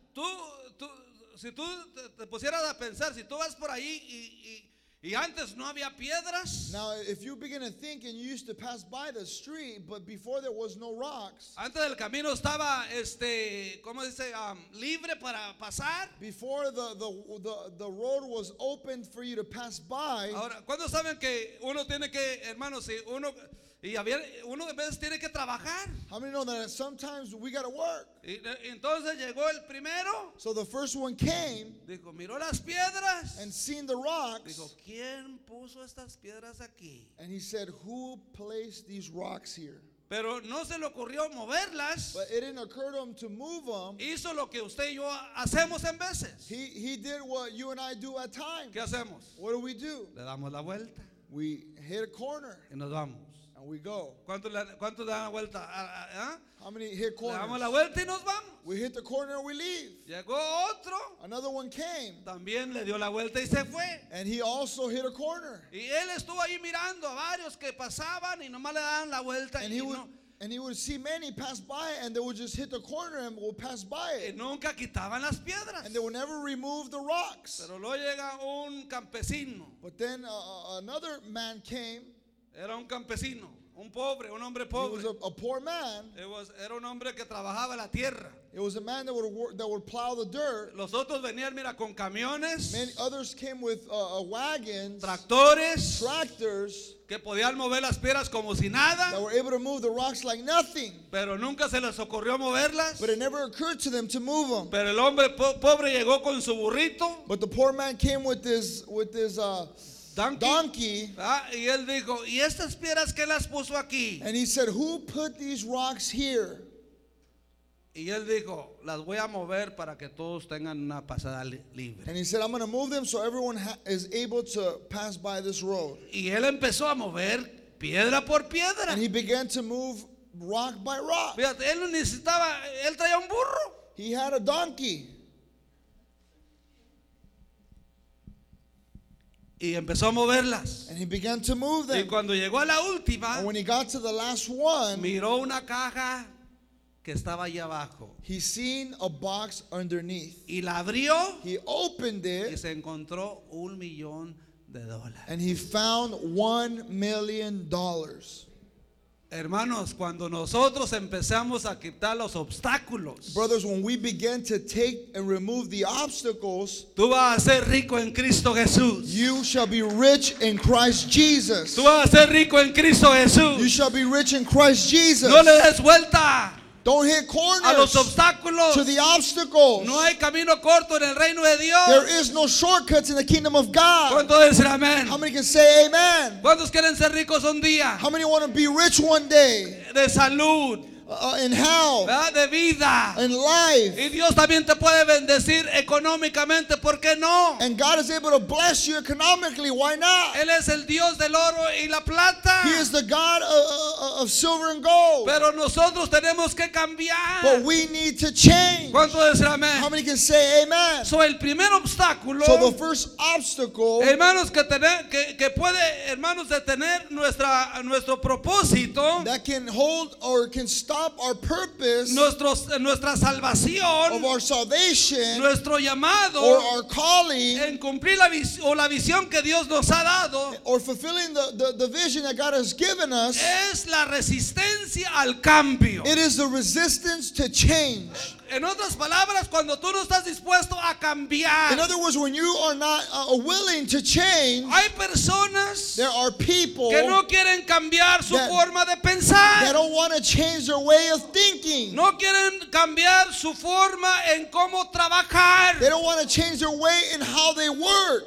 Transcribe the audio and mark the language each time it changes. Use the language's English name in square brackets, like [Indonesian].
[Spanish] Tú, si tú te pusieras a pensar, si tú vas por ahí y antes no había piedras. [English] Now, if you begin to think and you used to pass by the street, but before there was no rocks. [Spanish] Antes del camino estaba, ¿cómo dice? Libre para pasar. [English] Before the road was open for you to pass by. [Spanish] Ahora, ¿cuándo saben que uno tiene que, hermanos, si uno y había uno de veces tiene que trabajar? [English] How many know that sometimes we gotta work? [Spanish] Y entonces llegó el primero. [English] So the first one came. [Spanish] Dijo, miró las piedras. [English] And seen the rocks. [Spanish] Dijo, ¿quién puso estas piedras aquí? [English] And he said, who placed these rocks here? [Spanish] Pero no se le ocurrió moverlas. [English] But it didn't occur to him to move them. [Spanish] Hizo lo que usted y yo hacemos en veces. [English] He did what you and I do at times. [Spanish] ¿Qué hacemos? [English] What do we do? [Spanish] Le damos la vuelta. [English] We hit a corner. [Spanish] Y nos vamos. [English] And we go. [Spanish] ¿Cuánto le dan la vuelta? [English] How many hit corners? [Spanish] Le damos la vuelta y nos vamos. [English] We hit the corner and we leave. [Spanish] Llegó otro. [English] Another one came. [Spanish] También le dio la vuelta y se fue. [English] And he also hit a corner. [Spanish] Y él estuvo ahí mirando a varios que pasaban y nomás le daban la vuelta y no. [English] And he would see many pass by, and they would just hit the corner and would pass by it. [Spanish] Y nunca quitaban las piedras. [English] And they would never remove the rocks. [Spanish] Pero luego llega un campesino. [English] But then another man came. [Spanish] Era un campesino, un pobre, un hombre pobre. [English] He was a poor man. [Spanish] Era un hombre que trabajaba la tierra. [English] It was a man that would plow the dirt. [Spanish] Los otros venían, mira, con camiones. [English] Many others came with wagons. [Spanish] Tractores. [English] Tractors. [Spanish] Que podían mover las piedras como si nada. [English] They were able to move the rocks like nothing. [Spanish] Pero nunca se les ocurrió moverlas. [English] But it never occurred to them to move them. [Spanish] Pero el hombre pobre llegó con su burrito. [English] But the poor man came with this donkey. [Spanish] Y él dijo, ¿y estas piedras qué las puso aquí? [English] And he said, who put these rocks here? [Spanish] Y él dijo, las voy a mover para que todos tengan una pasada libre. [English] And he said, I'm going to move them so everyone is able to pass by this road. [Spanish] Y él empezó a mover piedra por piedra. [English] And he began to move rock by rock. [Spanish] Fíjate, él necesitaba, él traía un burro. [English] He had a donkey. [Spanish] Y empezó a moverlas. [English] And he began to move them. [Spanish] Y cuando llegó a la última, [English] and when he got to the last one, [Spanish] miró una caja que estaba allá abajo. [English] He seen a box underneath. [Spanish] Y la abrió. [English] He opened it. [Spanish] Y se encontró $1,000,000. [English] And he found $1,000,000. [Spanish] Hermanos, cuando nosotros empezamos a quitar los obstáculos, [English] brothers, when we begin to take and remove the obstacles, [Spanish] tú vas a ser rico en Cristo Jesús. [English] You shall be rich in Christ Jesus. [Spanish] Tú vas a ser rico en Cristo Jesús. [English] You shall be rich in Christ Jesus. [Spanish] No le des vuelta. [English] Don't hit corners. [Spanish] A los obstáculos. [English] To the obstacles. [Spanish] No hay camino corto en el reino de Dios. [English] There is no shortcuts in the kingdom of God. [Spanish] ¿Cuántos dicen amén? [English] How many can say amen? [Spanish] ¿Cuántos quieren ser ricos un día? [English] How many want to be rich one day? [Spanish] De salud. [English] In health, [Spanish] de vida, [English] in life, [Spanish] y Dios también te puede bendecir económicamente, ¿por qué no? [English] And God is able to bless you economically. Why not? [Spanish] Él es el Dios del oro y la plata. [English] He is the God of silver and gold. [Spanish] Pero nosotros tenemos que cambiar. [English] But we need to change. [Spanish] ¿Cuánto decir amén? [English] How many can say amen? [Spanish] So el primer obstáculo. [English] So the first obstacle. [Spanish] Hermanos que tener que puede hermanos detener nuestra nuestro propósito. [English] That can hold or can stop our purpose, [Spanish] nuestra salvación, [English] of our salvation, [Spanish] nuestro llamado, [English] or our calling, [Spanish] en cumplir la o la visión que Dios nos ha dado, [English] or fulfilling the vision that God has given us, [Spanish] es la resistencia al cambio. [English] It is the resistance to change. [Spanish] En otras palabras, cuando tú no estás dispuesto a cambiar. [English] In other words, when you are not willing to change. [Spanish] Hay personas, [English] there are people, [Spanish] que no quieren cambiar su forma de pensar. [English] They don't want to change their way of thinking. [Spanish] No quieren cambiar su forma en cómo trabajar. [English] They don't want to change their way in how they work.